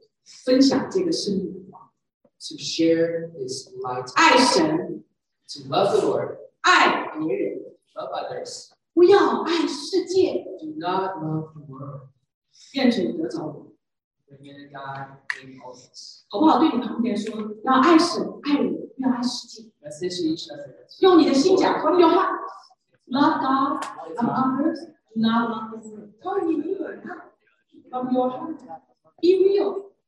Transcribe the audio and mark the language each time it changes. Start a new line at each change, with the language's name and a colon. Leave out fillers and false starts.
Chinese: 分享这个生命。
English: To share this light,
Chinese: 爱神
English: to love the Lord,
Chinese: 爱别人
English: love others,
Chinese: 不要爱世界
English: do not love the world,
Chinese: 愿主得着我
English: the man of God in all of us,
Chinese: 好不好？对你旁边说，要爱神，爱人，不要爱世界。
English: Let's say to each other,
Chinese: 用你的心讲，说句话
English: love God, love others, not love the world. Tell your heart, from your heart, be real.